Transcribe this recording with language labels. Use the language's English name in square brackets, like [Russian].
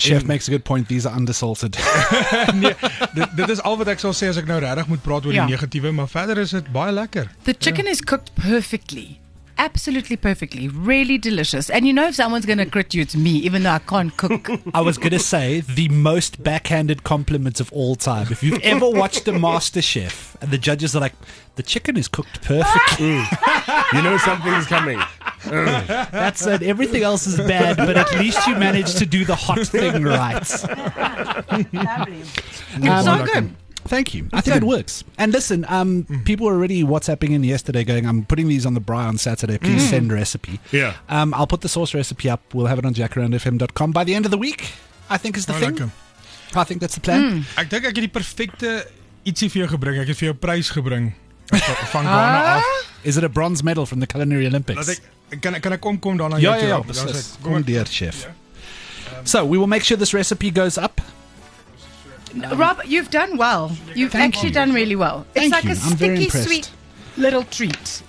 [English] Chef makes a good point, these are undersalted. [Afrikaans] Nee, dit is al wat ek sal sê as ek nou regtig moet praat oor die negatiewe, maar verder is dit baie lekker. [English] The chicken is cooked perfectly. absolutely perfectly, really delicious. And you know, if someone's going to crit you, it's me, even though I can't cook. I was going to say the most backhanded compliments of all time. If you've ever watched a MasterChef and the judges are like, the chicken is cooked perfectly. You know something's coming. That's it. Everything else is bad, but at least you managed to do the hot thing right. It's so good. Thank you. I think it works. And listen, people were already WhatsApping in yesterday going, I'm putting these on the braai on Saturday. Please send recipe. Yeah. I'll put the sauce recipe up. We'll have it on jackaroundfm.com by the end of the week, I think is the thing. Like I think that's the plan. Mm. [Afrikaans] Ek dink ek het die perfekte ietsie vir jou gebring. Ek het vir jou prys gebring. Van Ghana af. [English] Is it a bronze medal from the Culinary Olympics? [Afrikaans] Kan ek kom daarna jou toe? Ja, precies. Kom [English] dear chef. Yeah. So, we will make sure this recipe goes up. Rob, you've done well. You've actually done really well. Thank it's like you. A I'm sticky, sweet little treat.